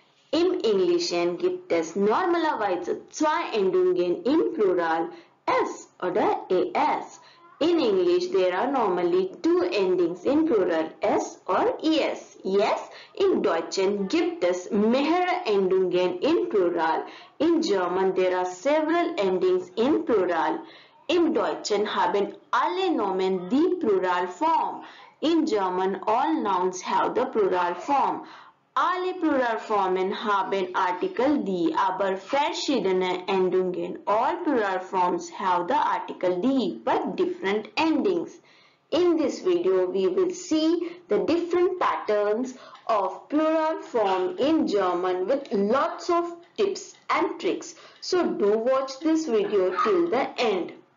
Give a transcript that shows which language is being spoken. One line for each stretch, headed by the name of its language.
German: Im Englischen gibt es normalerweise zwei Endungen im Plural, s oder es.
English: In English, there are normally two endings in plural, s or es.
German: Yes, in Deutschen gibt es mehrere Endungen in plural.
English: In German, there are several endings in plural.
German: Im Deutschen haben alle Nomen die Pluralform.
English: In German, all nouns have the Pluralform.
German: Alle Pluralformen haben Artikel die, aber verschiedene Endungen.
English: All Pluralforms have the Artikel die, but different endings. In this video, we will see the different patterns of Pluralform in German with lots of tips and tricks. So, do watch this video till the end.